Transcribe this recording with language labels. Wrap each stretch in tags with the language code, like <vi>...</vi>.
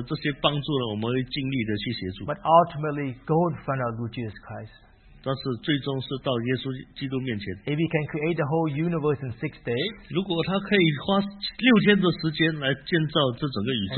<zh>所以我们在我们所领受的这些帮助呢，我们会尽力的去协助。</zh> <en>But ultimately, go in front of Lord Jesus Christ.</en> <zh>但是最终是到耶稣基督面前。</zh> <en>If he can create the whole universe in 6 days,</en> <zh>如果他可以花6天的时间来建造这整个宇宙，</zh>